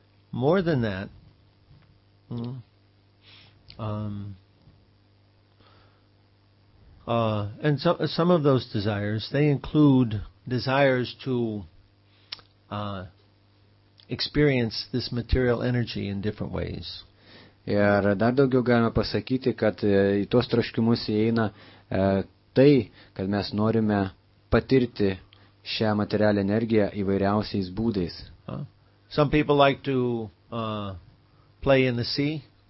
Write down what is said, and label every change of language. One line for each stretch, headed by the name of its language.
English: More than that, and some of those desires, they include desires to experience this material energy in different ways.
Lithuanian: Ir dar daugiau galima pasakyti, kad į tuos troškimus įeina tai, kad mes norime patirti šią materialią energiją įvairiausiais būdais.
English: Some people like to play in the sea.